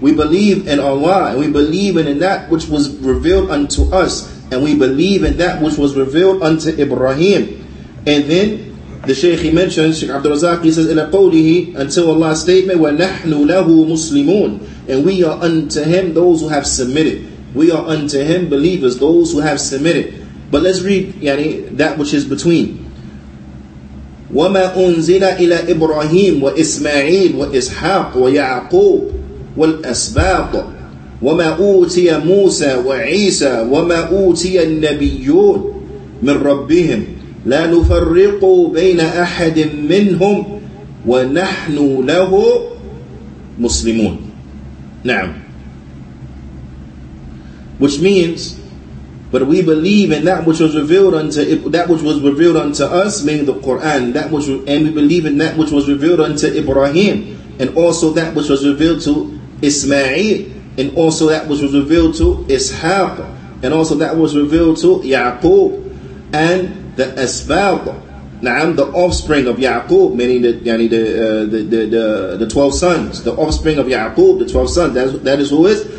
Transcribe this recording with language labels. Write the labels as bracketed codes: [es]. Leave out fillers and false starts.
[en] We believe in Allah, and we believe in that which was revealed unto us, and we believe in that which was revealed unto Ibrahim. And then the Shaykh, he mentions, Shaykh Abdul Razak, he says, [ar] إِلَى قَوْلِهِ, [en] until Allah's statement, [ar] وَنَحْنُ لَهُ مُسْلِمُونَ. [en] And we are unto him those who have submitted. We are unto him believers, those who have submitted. But let's read that which is between. [ar] وَمَا أُنزِلَ إِلَى إِبْرَاهِيمَ وَإِسْمَعِيلَ وَإِسْحَاقَ وَيَعْقُوبَ والأسباط وما أوتي موسى وعيسى وما أوتي النبيون من ربهم لا نفرق بين أحد منهم ونحن له مسلمون. نعم. [en] Which means, but we believe in that which was revealed unto us, meaning the Quran, and we believe in that which was revealed unto Ibrahim, and also that which was revealed to Ismail, and also that which was revealed to Ishaq, and also that was revealed to Yaqub, and the Asbab, Naam, the offspring of Yaqub, meaning the 12 sons, the offspring of Yaqub, the 12 sons, that is who is